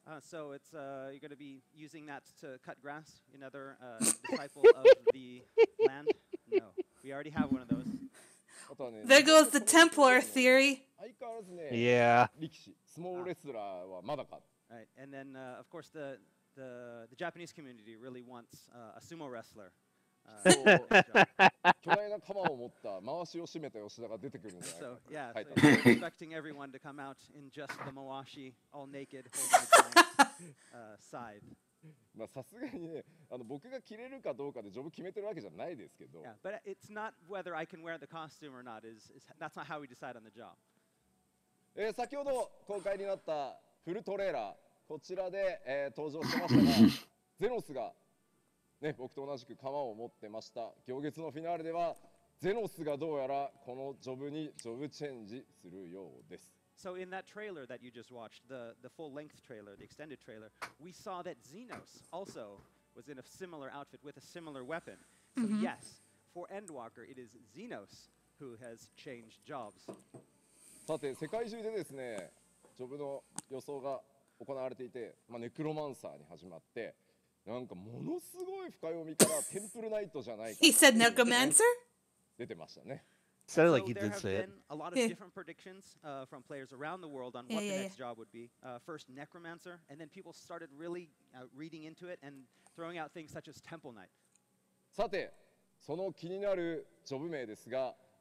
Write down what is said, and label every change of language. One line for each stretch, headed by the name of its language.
English: So it's you're going to be using that to cut grass, another disciple of the land. No, we already have one of those. There goes the Templar theory. Yeah. Small wrestler
Japanese: はまだか。
English: Right, and then of course the Japanese community really wants a sumo wrestler.
Japanese: 巨大な鎌を持った回しを締めた吉田が出てくるんじゃない。
English: So yeah, so we're expecting everyone to come out in just the mawashi, all naked, holding the giant scythe.
Japanese: まあさすがにね、あの僕が着れるかどうかでジョブ決めてるわけじゃないですけど。
English: Yeah, but it's not whether I can wear the costume or not. Is that's not how we decide on the job.
Japanese: 先ほど公開になったフルトレーラーこちらで、登場しましたがゼノスが、ね、僕と同じく鎌を持ってました行月のフィナーレではゼノスがどうやらこのジョブにジョブチェンジするようです
English: So in that trailer that you just watched the full length trailer, the extended trailer we saw that Zenos also was in a similar outfit with a similar weapon So yes, for Endwalker it is Zenos who has changed jobs
Japanese: さて世界中でですね、ジョブの予想が行われていて、まあ、ネクロマンサーに始まって、なんかものすごい深読みからテンプルナイトじゃないか。
English: He said Necromancer?
Japanese: 出てましたね。
English: Sounded like he did say it. So there have been a lot of different predictions from players around the world on what the next job would be. First Necromancer, and then people started really reading into it and throwing out things such as Temple Knight.
Japanese: さて、その気になるジョブ名ですが、